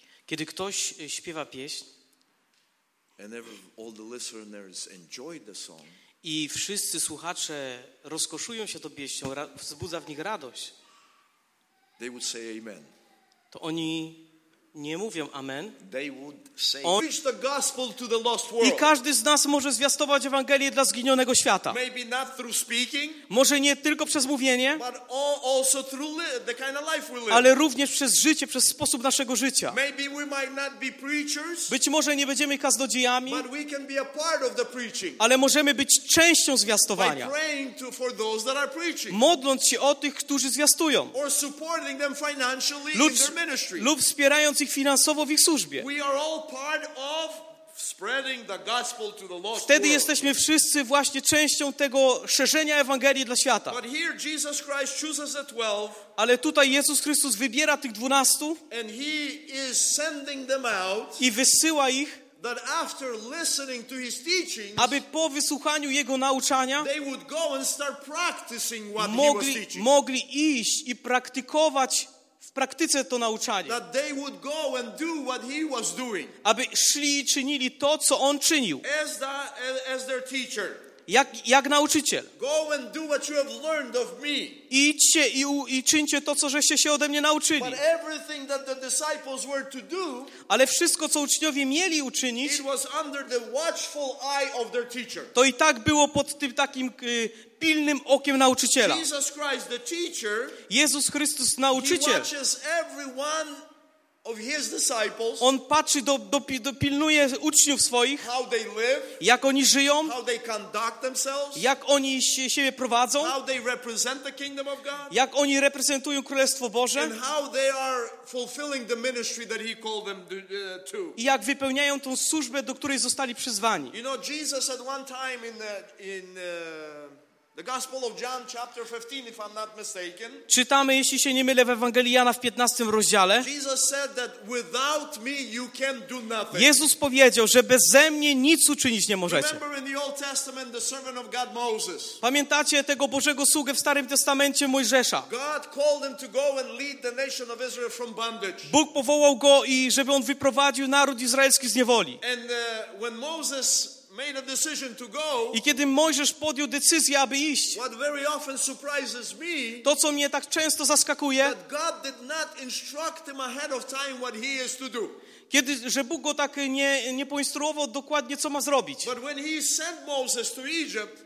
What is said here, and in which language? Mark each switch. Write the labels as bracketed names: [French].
[Polish] Kiedy ktoś śpiewa pieśń, [English] and all the listeners enjoy the song, [Polish] i wszyscy słuchacze rozkoszują się tą pieśnią, wzbudza w nich radość, [English] they would say amen. [Polish] To oni nie mówią amen. [English] They would say, preach the gospel to the lost world. [Polish] I każdy z nas może zwiastować Ewangelię dla zginionego świata. [English] Maybe not through speaking, [Polish] może nie tylko przez mówienie, [English] but also through the kind of life we live. [Polish] Ale również przez życie, przez sposób naszego życia. [English] Maybe we might not be preachers, [Polish] być może nie będziemy kaznodziejami, [English] but we can be a part of the preaching, [Polish] ale możemy być częścią zwiastowania. [English] By praying to, for those that are preaching, [Polish] modląc się o tych, którzy zwiastują. [English] Or supporting them financially in their ministry. [Polish] Lub wspierając ich finansowo w ich służbie. [English] We are all part of spreading the gospel to the lost world. [Polish] Wtedy jesteśmy wszyscy właśnie częścią tego szerzenia Ewangelii dla świata. [English] But here Jesus Christ chooses the 12, [Polish] ale tutaj Jezus Chrystus wybiera tych 12, [English] and he is sending them out, [Polish] i wysyła ich, [English] that after listening to his teachings, [Polish] aby po wysłuchaniu jego nauczania [English] they would go and start practicing what [Polish] mogli, [English] he was teaching. [Polish] Mogli iść i praktykować w praktyce to nauczanie. [English] That they would go and do what he was doing. [Polish] Aby szli i czynili to, co on czynił. [English] As the, as their teacher. [Polish] Jak nauczyciel. [English] Go and do what you have learned of me. [Polish] Idźcie i czyńcie to, co żeście się ode mnie nauczyli. [English] But everything that the disciples were to do, [Polish] ale wszystko, co uczniowie mieli uczynić, [English] it was under the watchful eye of their teacher. [Polish] To i tak było pod tym takim pilnym okiem nauczyciela. [English] Jesus Christ, the teacher, [Polish] Jezus Chrystus, nauczyciel, [English] he watches everyone of his disciples, [Polish] on patrzy, pilnuje uczniów swoich, [English] how they live, [Polish] jak oni żyją, [English] how they conduct themselves, [Polish] jak oni siebie prowadzą, [English] how they represent the kingdom of God, [Polish] jak oni reprezentują Królestwo Boże, [English] and how they are fulfilling the ministry that he called them to. [Polish] I jak wypełniają tą służbę, do której zostali przyzwani. [English] You know, Jesus at one time in the Gospel of John, chapter 15, if I'm not mistaken. [Polish] Czytamy, jeśli się nie mylę, w Ewangelii Jana w 15 rozdziale. [English] Jesus said that without me you can do nothing. [Polish] Jezus powiedział, że bez mnie nic uczynić nie możecie. [English] Remember in the Old Testament the servant of God Moses. [Polish] Pamiętacie tego Bożego sługę w Starym Testamencie Mojżesza? [English] God called him to go and lead the nation of Israel from bondage. [Polish] Bóg powołał go i żeby on wyprowadził naród izraelski z niewoli. [English] And when Moses made a decision to go, [Polish] i kiedy Mojżesz podjął decyzję, aby iść, [English] what very often surprises me, [Polish] to, co mnie tak często zaskakuje, [English] that God did not instruct him ahead of time what he is to do. [Polish] Kiedy, że Bóg go tak nie poinstruował dokładnie, co ma zrobić. [English] But when he sent Moses to Egypt,